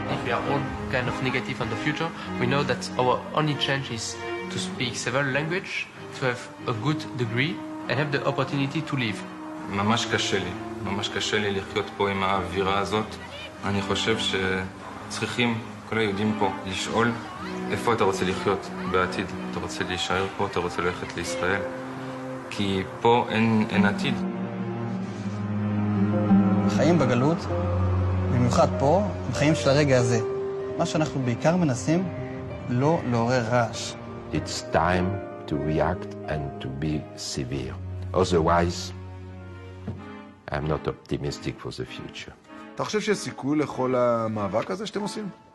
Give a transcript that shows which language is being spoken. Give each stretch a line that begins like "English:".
English: We are all kind of negative on the future. We know that our only chance is to speak several languages, to have a good degree, and have the opportunity to live.
Hebrew: ממש קשה לי. ממש קשה לי לחיות פה עם האווירה הזאת. אני חושב שצריכים, כל היהודים פה, לשאול איפה אתה רוצה לחיות בעתיד. אתה רוצה להישאר פה, אתה רוצה ללכת לישראל. כי פה אין עתיד. חיים בגלות, במיוחד פה, הם חיים של הרגע הזה. מה שאנחנו בעיקר מנסים, לא לעורר רעש.
English: It's time to react and to be severe. Otherwise, I'm not optimistic for the future.
Hebrew: אתה חושב שיש סיכוי לכל המאבק הזה שאתם עושים?